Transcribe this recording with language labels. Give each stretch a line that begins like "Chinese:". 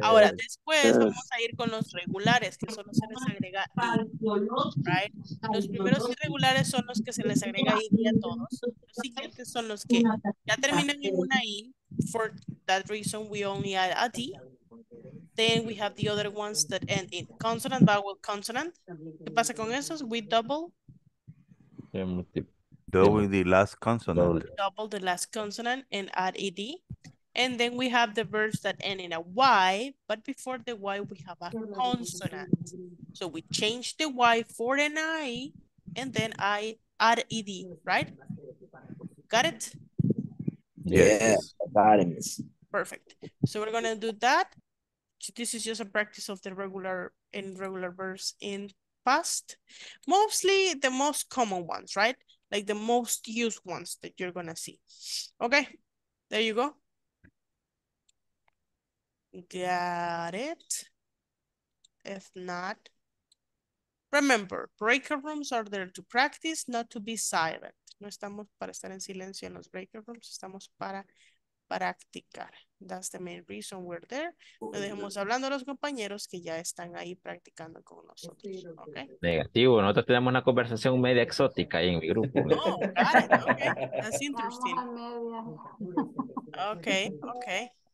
Spanish: Ahora, después vamos a ir con los regulares, que son los seres agregados. Right? Los primeros irregulares son los que se les agrega I a todos. Los siguientes son los que ya terminan en una I.
English: For that reason, we only add a D. Then we have the other ones that end in consonant, vowel, consonant.
Spanish: ¿Qué pasa con esos?
English: We double. Double the last consonant. Double the last consonant and add ed. And then we have the verbs that end in a y, but before the y we have a consonant. So we change the y for an I and then I add ed, right? Got it? Yes. Perfect. So we're gonna do that. This is just a practice of the regular and irregular verbs in past. Mostly the most common ones, right? Like the most used ones that you're gonna see. Okay, there you go. Got it. If not, remember, breaker rooms are there to practice, not to be silent.
Spanish: No estamos para estar en silencio en los breaker rooms, estamos para practicar.
English: That's the main reason we're there.
Spanish: No dejemos hablando a los compañeros que ya están ahí practicando con nosotros.
English: Okay?
Spanish: Negativo, nosotros tenemos una conversación media exótica ahí en mi grupo.
English: Oh, got it. Okay. That's interesting. Okay, okay.